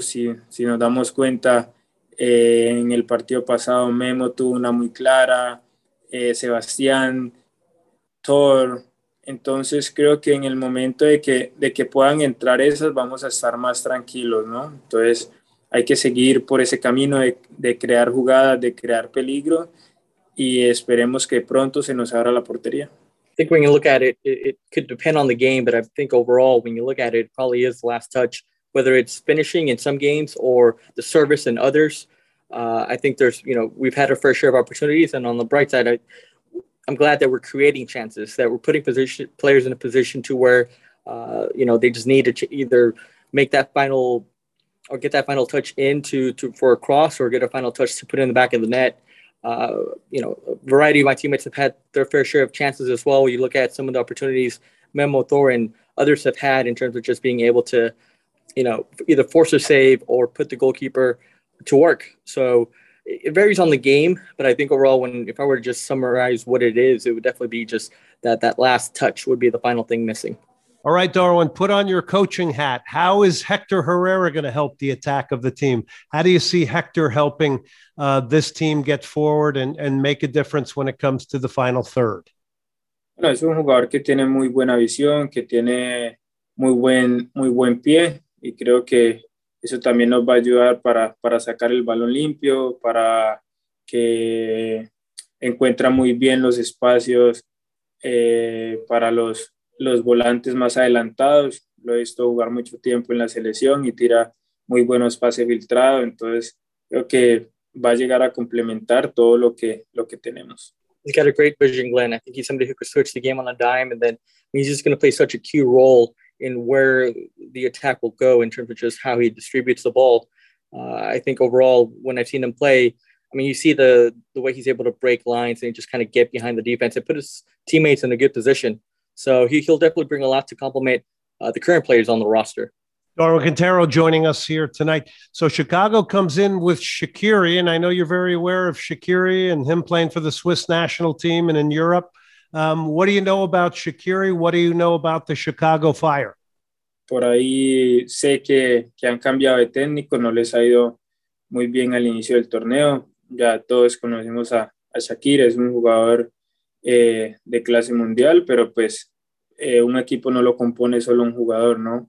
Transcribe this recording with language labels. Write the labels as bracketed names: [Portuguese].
[Spanish] Si nos damos cuenta, en el partido pasado Memo tuvo una muy clara, Sebastián, Thor. Entonces creo que en el momento de que puedan entrar esas, vamos a estar más tranquilos, ¿no? Entonces hay que seguir por ese camino de crear jugadas, de crear peligro, y esperemos que pronto se nos abra la portería. [English] I think when you look at it, it could depend on the game, but I think overall, when you look at it, it probably is the last touch, whether it's finishing in some games or the service in others. I think there's, you know, we've had our fair share of opportunities, and on the bright side, I'm glad that we're creating chances, that we're putting players in a position to where, they just need to either make that final or get that final touch for a cross, or get a final touch to put in the back of the net. A variety of my teammates have had their fair share of chances as well. You look at some of the opportunities Memo, Thor, and others have had in terms of just being able to, you know, either force a save or put the goalkeeper to work. So it varies on the game, but I think overall, if I were to just summarize what it is, it would definitely be just that last touch would be the final thing missing. All right, Darwin, put on your coaching hat. How is Hector Herrera going to help the attack of the team? How do you see Hector helping this team get forward and make a difference when it comes to the final third? Bueno, es un jugador que tiene muy buena visión, que tiene muy buen pie, y creo que eso también nos va a ayudar para sacar el balón limpio, para que encuentra muy bien los espacios para los volantes más adelantados. Lo he visto jugar mucho tiempo en la selección y tira muy buenos pases filtrados. Entonces, creo que va a llegar a complementar todo lo que tenemos. He's got a great vision, Glenn. I think he's somebody who could switch the game on a dime, and then he's just going to play such a key role in where the attack will go in terms of just how he distributes the ball. I think overall, when I've seen him play, I mean, you see the way he's able to break lines and just kind of get behind the defense and put his teammates in a good position. So he'll definitely bring a lot to complement the current players on the roster. Darwin Quintero joining us here tonight. So Chicago comes in with Shaqiri, and I know you're very aware of Shaqiri and him playing for the Swiss national team and in Europe. What do you know about Shaqiri? What do you know about the Chicago Fire? [Spanish] Por ahí sé que han cambiado de técnico. No les ha ido muy bien al inicio del torneo. Ya todos conocemos a Shaqiri. Es un jugador de clase mundial, pero pues un equipo no lo compone solo un jugador, ¿no?